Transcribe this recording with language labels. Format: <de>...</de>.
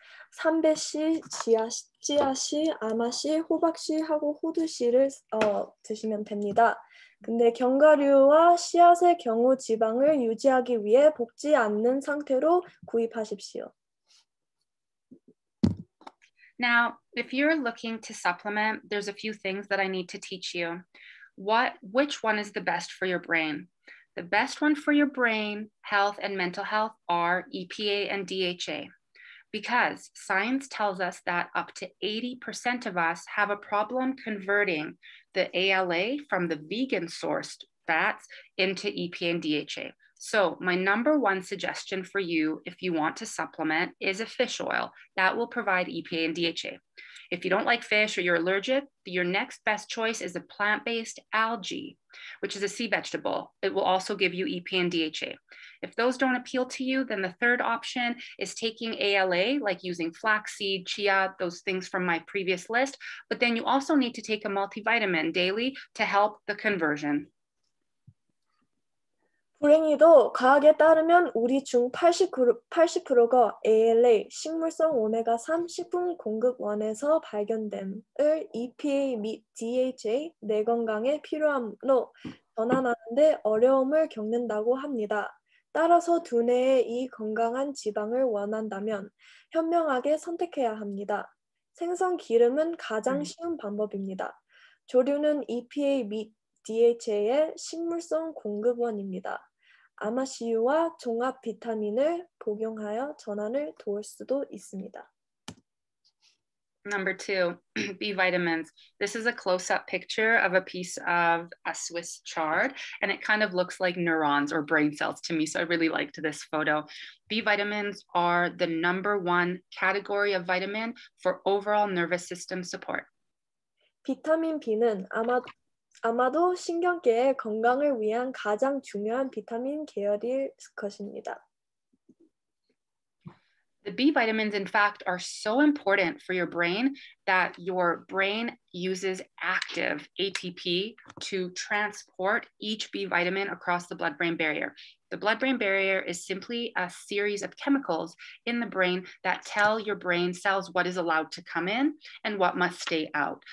<ko>삼베씨, 찌아씨, 아마씨, 호박씨하고 호두씨를 드시면 됩니다. 근데 견과류와 씨앗의 경우 지방을 유지하기 위해 볶지 않는 상태로 구입하십시오.</ko> <en>Now, if you're looking to supplement, there's a few things that I need to teach you. Which one is the best for your brain? The best one for your brain, health, and mental health are EPA and DHA. Because science tells us that up to 80% of us have a problem converting the ALA from the vegan sourced fats into EPA and DHA. So my number one suggestion for you, if you want to supplement, is a fish oil that will provide EPA and DHA. If you don't like fish or you're allergic, your next best choice is a plant-based algae, which is a sea vegetable. It will also give you EPA and DHA. If those don't appeal to you, then the third option is taking ALA, like using flaxseed, chia, those things from my previous list. But then you also need to take a multivitamin daily to help the conversion.</en> <ko>불행히도 과학에 따르면 우리 중 80%가 ALA, 식물성 오메가3 식품 공급원에서 발견됨을 EPA 및 DHA, 뇌 건강에 필요함으로 전환하는데 어려움을 겪는다고 합니다. 따라서 두뇌에 이 건강한 지방을 원한다면 현명하게 선택해야 합니다. 생선 기름은 가장 쉬운 방법입니다. 조류는 EPA 및 DHA의 식물성 공급원입니다. 아마시유와 종합 비타민을 복용하여 전환을 도울 수도 있습니다.</ko> <en>Number two, B vitamins. This is a close-up picture of a piece of a Swiss chard, and it kind of looks like neurons or brain cells to me, so I really liked this photo. B vitamins are the number one category of vitamin for overall nervous system support.</en> <ko>비타민 B는 아마도 신경계의 건강을 위한 가장 중요한 비타민 계열일 것입니다.</ko> <en>The B vitamins, in fact, are so important for your brain that your brain uses active ATP to transport each B vitamin across the blood-brain barrier. The blood-brain barrier is simply a series of chemicals in the brain that tell your brain cells what is allowed to come in and what must stay out.</en>